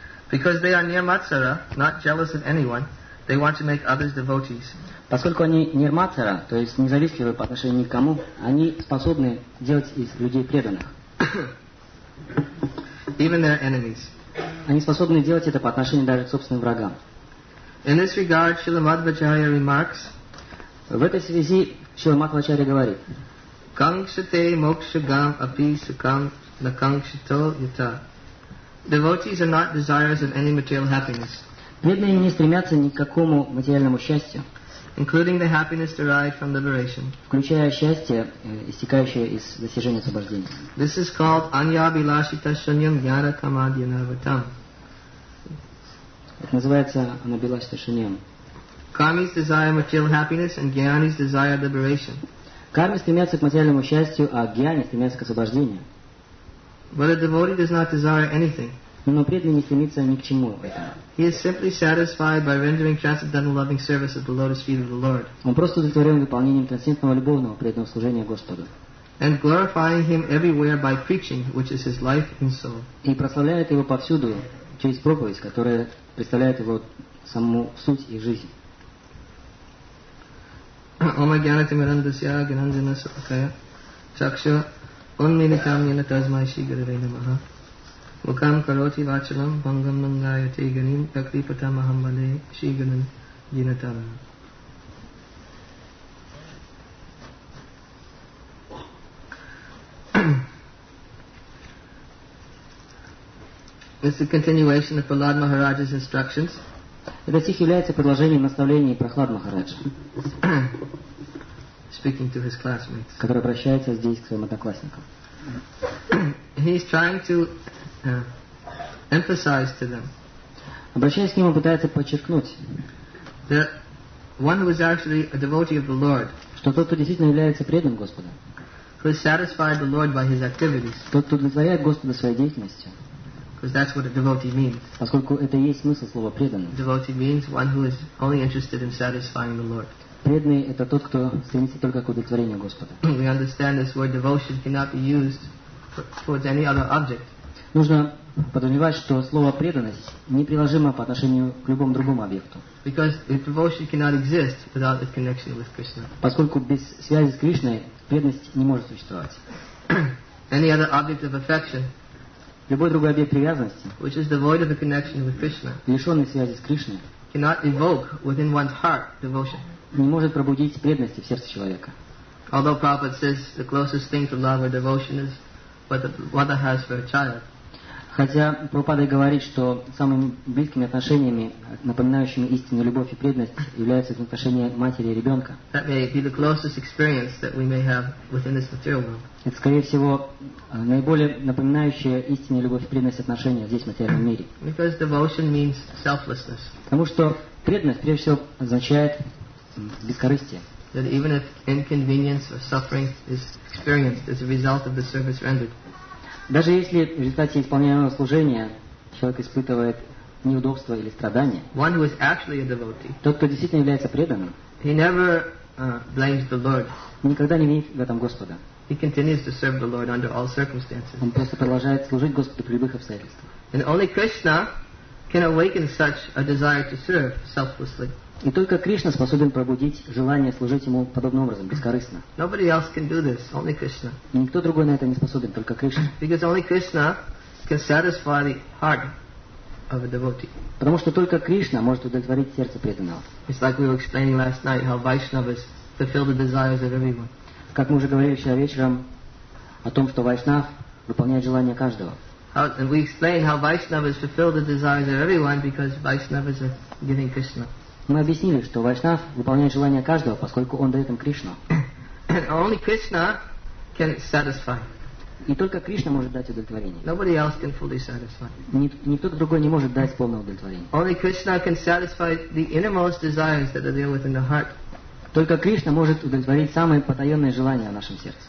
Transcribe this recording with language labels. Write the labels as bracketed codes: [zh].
[en] Because they are Nirmatsara, not jealous of anyone, they want to make others devotees. [ru] Поскольку они Нирмацара, то есть независтливы по отношению ни к кому, они способны делать из людей преданных. [en] Even their enemies. [ru] Они способны делать это по отношению даже к собственным врагам. [en] In this regard, Śrīla Madhvāchārya remarks, [ru] в этой связи Śrīla Madhvāchārya говорит, [sa] Kaṅkṣate mokṣagam api sukam nakaṅkṣito yata. [en] Devotees are not desirous of any material happiness. [ru] Преданные не стремятся ни к какому материальному счастью, [en] including the happiness derived from liberation. [ru] Включая счастье, истекающее из достижения освобождения. [en] This is called [sa] anyabhilashita shunyam jnana kamadhyana vatam. [ru] Это называется [sa] anyabhilashita shunyam. [en] Karmis desire material happiness and jnanis desire liberation. [ru] Кармы стремятся к материальному счастью, а гьяни стремятся к освобождению. [en] But a devotee does not desire anything. [ru] Но преданный не стремится ни к чему в этом. [en] He is simply satisfied by rendering transcendental loving service at the lotus feet of the Lord. [ru] Он просто удовлетворен выполнением трансцендентного любовного преданного служения Господу. [en] And glorifying him everywhere by preaching, which is his life and soul. [ru] И прославляет его повсюду через проповедь, которая представляет его саму суть и жизнь. [sa] Ома гьянати мирандасья гьянанджана сакая чакша унминитам яна тазмай ши гуравей намаха мукам кароти вачалам бхангам мангаяте ганим кактипата махамбале ши гунан динатам. [en] This is a continuation of Prahlad Maharaj's instructions. [ru] Этот стих является продолжением наставлений Прахлад Махараджа, [en] speaking to his classmates, [ru] который обращается здесь к своим одноклассникам. [en] He's trying to emphasize to them. [ru] Обращаясь к ним, он пытается подчеркнуть, [en] that one who is actually a devotee of the Lord, [ru] что тот, кто действительно является преданным Господу, [en] who has satisfied the Lord by his activities, [ru] тот, кто удовлетворяет Господа своей деятельностью. [en] Because that's what a devotee means. [ru] Поскольку это и есть смысл слова преданный. [en] Devotee means one who is only interested in satisfying the Lord. [ru] Преданный — это тот, кто стремится только к удовлетворению Господа. [en] We understand this word devotion cannot be used towards any other object. [ru] Нужно подразумевать, что слово преданность неприложимо по отношению к любому другому объекту. [en] Because devotion cannot exist without its connection with Krishna. [ru] Поскольку без связи с Кришной преданность не может существовать. [en] Any other object of affection, [ru] любой другой объект привязанности, [en] which is devoid of a connection with Krishna, [ru] лишенный связи с Кришной, [en] cannot evoke within one's heart devotion, [ru] не может пробудить преданности в сердце человека. [en] Although Prabhupada says the closest thing to love or devotion is what the mother has for a child. [ru] Хотя Прабхупада говорит, что самыми близкими отношениями, напоминающими истинную любовь и преданность, являются отношения матери и ребенка. [en] That may be the closest experience that we may have within this material world. [ru] Это, скорее всего, наиболее напоминающее истинную любовь и преданность отношения здесь, в материальном мире. [en] Because devotion means selflessness. [ru] Потому что преданность, прежде всего, означает бескорыстие. [en] That even if inconvenience or suffering is experienced as a result of the service rendered. [ru] Даже если в результате исполняемого служения человек испытывает неудобства или страдания, [en] one who is actually a devotee, [ru] тот, кто действительно является преданным, [en] he never, blames the Lord. [ru] Никогда не винит в этом Господа. [en] He continues to serve the Lord under all circumstances. [ru] Он просто продолжает служить Господу при любых обстоятельствах. [en] And only Krishna can awaken such a desire to serve selflessly. [ru] И только Кришна способен пробудить желание служить ему подобным образом, бескорыстно. [en] Nobody else can do this, only Krishna. [ru] И никто другой на это не способен, только Кришна. [en] Because only Krishna can satisfy the heart of a devotee. [ru] Потому что только Кришна может удовлетворить сердце преданного. [en] It's like we were explaining last night how Vaishnavas fulfill the desires of everyone. [ru] Как мы уже говорили вчера вечером о том, что Вайшнав выполняет желания каждого. [en] How, and we explained how Vaishnavas fulfill the desires of everyone because Vaishnavas are giving Krishna. [ru] Мы объяснили, что Вайшнав выполняет желание каждого, поскольку он дает им Кришну. [en] Only Krishna can satisfy. [ru] И только Кришна может дать удовлетворение. [en] Nobody else can fully satisfy. [ru] Никто другой не может дать полное удовлетворение. [en] Only Krishna can satisfy the innermost desires that are there within the heart. [ru] Только Кришна может удовлетворить самые потаенные желания в нашем сердце.